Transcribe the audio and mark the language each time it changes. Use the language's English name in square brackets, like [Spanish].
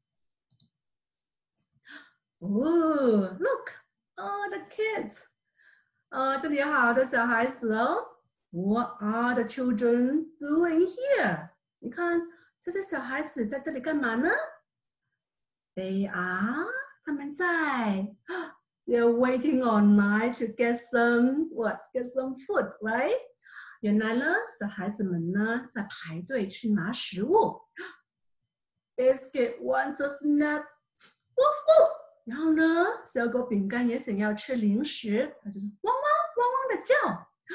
[Chinese] ”哦， [English] look，all the kids， [Chinese] 这里有好多小孩子哦。 [English] What are the children doing here？ [Chinese] 你看，这些小孩子在这里干嘛呢？ [English] They are， [Chinese] 他们在， [English] They're waiting all night to get some what? Get some food, right? [Chinese] 原来呢，小孩子们呢在排队去拿食物。 [English] Biscuit wants a snack, [Chinese] 然后呢，小狗饼干也想要吃零食，它就是汪汪汪汪的叫。